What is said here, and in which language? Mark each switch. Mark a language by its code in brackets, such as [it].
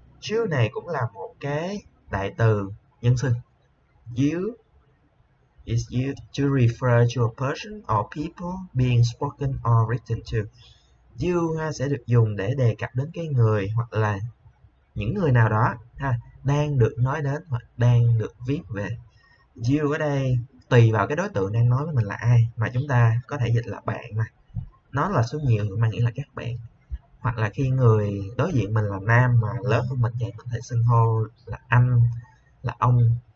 [vi] You này cũng là một cái đại từ nhân xưng. [en] You is used to refer to a person or people being spoken or written to. [vi] You ha, sẽ được dùng để đề cập đến cái người hoặc là những người nào đó ha, đang được nói đến hoặc đang được viết về. You ở đây tùy vào cái đối tượng đang nói với mình là ai mà chúng ta có thể dịch là bạn mà. Nó là số nhiều mà nghĩa là các bạn. Hoặc là khi người đối diện mình là nam mà lớn hơn mình thì mình có thể xưng hô là anh, là ông.